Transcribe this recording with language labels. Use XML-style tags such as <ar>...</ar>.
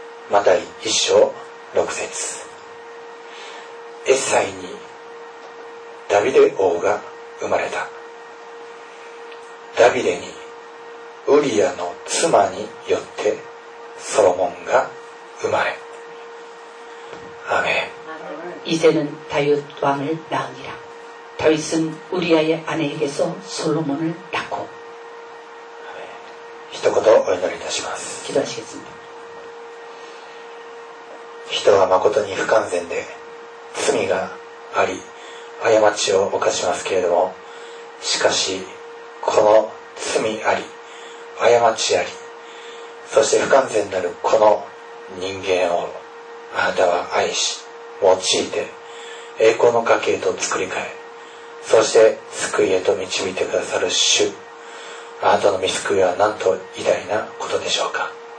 <ja>マタイ1章6節、エッサイにダビデ王が生まれた。ダビデにウリアの妻によってソロモンが生まれ。アメン。</ja> <ko>이제는다윗왕을낳으니라다윗은우리아의아내에게서솔로몬을낳고 아멘。</ko> <ja>一言お祈りいたします。</ja> <ko>기도하시겠습니다。</ko> <ja>人はまことに不完全で罪があり、過ちを犯しますけれども、しかし、この罪あり、過ちあり、そして不完全なるこの人間を、あなたは愛し、用いて、栄光の家系と作り変え、そして救いへと導いてくださる主、あなたの御救いはなんと偉大なことでしょうか。</ja>